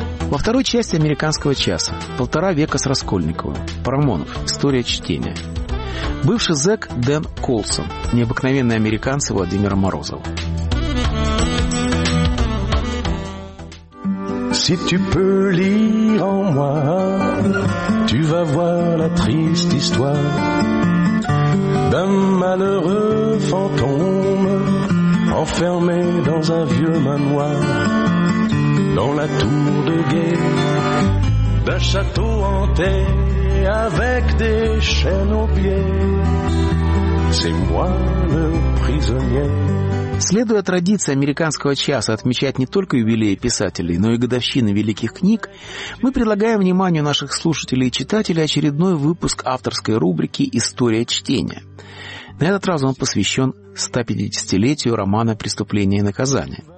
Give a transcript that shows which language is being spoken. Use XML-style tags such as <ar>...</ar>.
<ru>Во второй части «Американского часа» полтора века с Раскольниковым. Парамонов. История чтения. Бывший зэк Дэн Колсон. Необыкновенные американцы Владимира Морозова.</ru> <fr>Si tu peux lire en moi, tu vas voir la triste histoire d'un malheureux fantôme enfermé dans un vieux manoir, dans la tour de guet d'un château hanté avec des chaînes aux pieds. C'est moi le prisonnier.</fr> <ru>Следуя традиции «Американского часа» отмечать не только юбилеи писателей, но и годовщины великих книг, мы предлагаем вниманию наших слушателей и читателей очередной выпуск авторской рубрики «История чтения». На этот раз он посвящен 150-летию романа «Преступление и наказание».</ru>